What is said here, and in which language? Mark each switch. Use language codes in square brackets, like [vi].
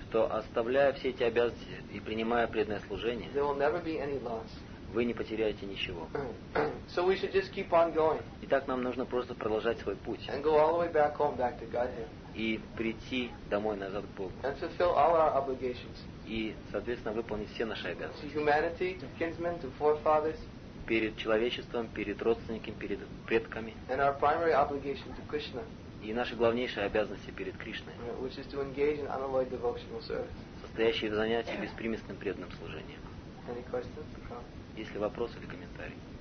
[ru] что оставляя все эти обязанности и принимая преданное служение, [en] there will never be any loss. [ru] Вы не потеряете ничего. [en] So we should just keep on going. [ru] Итак, нам нужно просто продолжать свой путь. [en] And go all the way back home, back to Godhead. [ru] И прийти домой назад к Богу. [en] And fulfill all our obligations. [ru] И, соответственно, выполнить все наши обязанности. [en] To humanity, to kinsmen, to forefathers. [ru] Перед человечеством, перед родственниками, перед предками. [en] And our primary obligation to Krishna. [ru] И наши главнейшие обязанности перед Кришной. [en] Which is to engage in unalloyed devotional service. [ru] Состоящие в занятии беспримесным преданным служением. [en] Any questions or comments? [ru] Есть ли вопросы или комментарии?